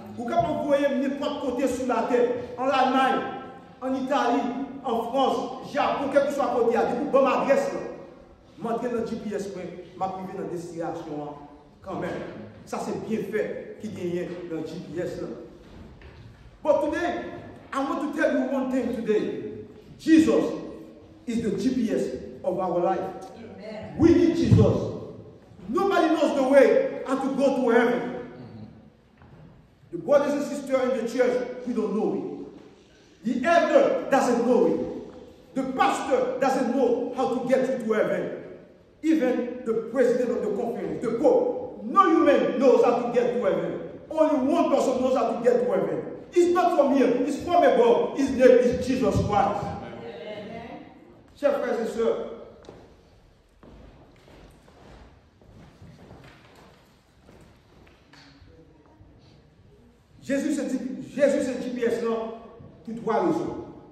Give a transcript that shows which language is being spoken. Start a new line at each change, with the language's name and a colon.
French: Vous pouvez vous voir n'importe côté sur la terre. En Allemagne, en Italie, en France, Japon, quel que soit côté. Vous avez une bonne adresse là. Vous mettez dans le GPS. Vous arrivez dans la destination là. Quand même. Ça, c'est bien fait qui gagne dans le GPS là.
English: But today, I want to tell you one thing today. Jesus is the GPS of our life. We need Jesus. Nobody knows the way how to go to heaven. The brothers and sisters in the church, we don't know it. The elder doesn't know it. The pastor doesn't know how to get you to heaven. Even the president of the conference, the pope, no human knows how to get to heaven. Only one person knows how to get to heaven. It's not from here, it's from above. His name is Jesus Christ.
French: Chers frères et sœurs, Jésus est GPS là pour trois raisons.